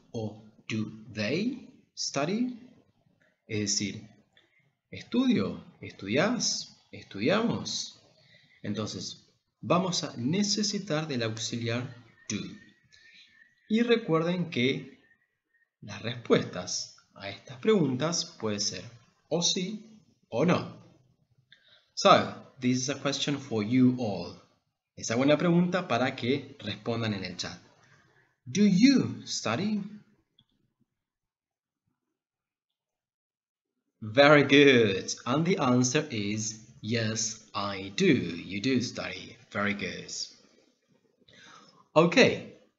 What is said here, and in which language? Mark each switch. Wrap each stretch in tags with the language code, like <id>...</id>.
<es>O</es> <en>do they study?</en> <es>Es decir, estudio, estudias, estudiamos. Entonces, vamos a necesitar del auxiliar do. Y recuerden que las respuestas a estas preguntas pueden ser o sí o no.</es> <en>So, this is a question for you all.</en> <es>Esa buena pregunta para que respondan en el chat.</es> <en>Do you study? Very good. And the answer is yes, I do. You do study. Very good. Okay.</en>